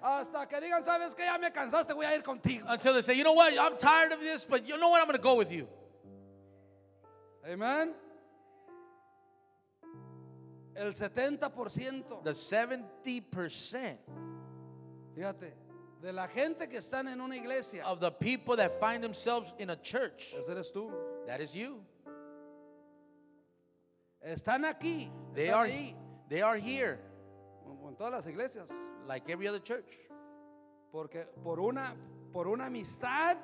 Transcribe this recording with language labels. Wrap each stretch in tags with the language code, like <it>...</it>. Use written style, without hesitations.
<es>Hasta que digan, sabes que ya me cansaste, voy a ir contigo.</es> <en>Until they say, you know what, I'm tired of this, but you know what, I'm going to go with you. Amen.</en> <es>El 70%.</es> <en>The 70%.</en> <es>Fíjate. De la gente que están en una iglesia.</es> <en>Of the people that find themselves in a church.</en> <es>Ese eres tú.</es> <en>That is you.</en> <es>Están aquí.</es> <en>They</en> <es>están ahí.</es> <en>They are here.</en> <es>En todas las iglesias.</es> <en>Like every other church.</en> <es>Porque por una amistad.</es>